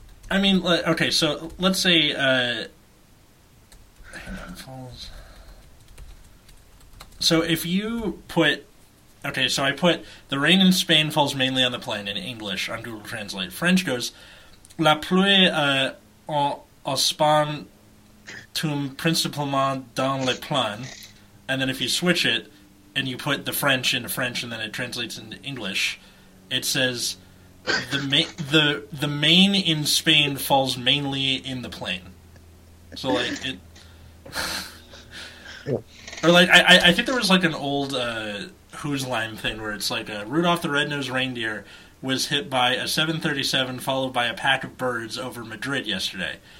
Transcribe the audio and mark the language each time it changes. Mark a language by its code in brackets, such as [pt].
[en] I mean, okay, so let's say, hang on, falls. So if you put, okay, so I put, the rain in Spain falls mainly on the plain in English on Google Translate. [fr] French goes, la pluie en Espagne tombe principalement dans le plain. [en] And then if you switch it, and you put the French into French, and then it translates into English, it says, the main in Spain falls mainly in the plain. So, like, it... Or, like, I think there was, like, an old Who's Line thing, where it's like, Rudolph the Red-Nosed Reindeer was hit by a 737 followed by a pack of birds over Madrid yesterday.